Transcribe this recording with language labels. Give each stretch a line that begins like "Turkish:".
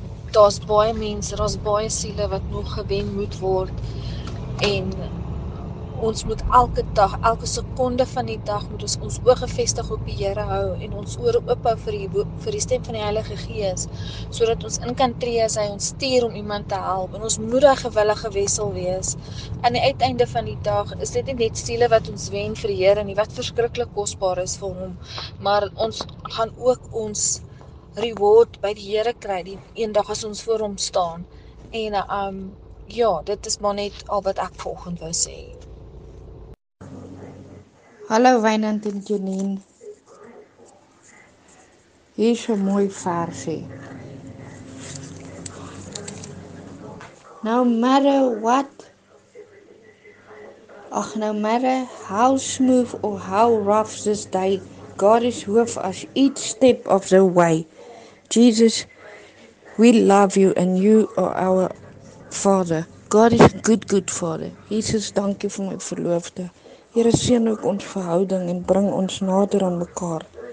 Afrikaans: daar's baie mense, daar's baie siele wat nog gewen moet word, en ons moet elke dag, elke sekonde van die dag moet ons oog gevestig op die Here hou en ons oor oop hou vir die stem van die Heilige Gees, sodat ons in kan tree as hy ons stuur om iemand te help, en ons moedige gewillige wessel wees. Aan die uiteinde van die dag is dit nie net siele wat ons wen vir die Here nie, wat verskriklik kosbaar is vir hom, maar ons gaan ook ons reward by die Here kry die eendag as ons voor hom staan. En ja, dit is maar net al wat ek volgende wou sê. Hallo Wynand en Janine. Hier is 'n mooi versie.
English: No matter what, ach, no matter how smooth or how rough this day, God is with us each step of the way. Jesus, we love you and you are our Father. God is a good, good Father.
Afrikaans: Jesus, dank you vir my verloofde. Here, seën ook ons verhouding en bring ons nader aan mekaar.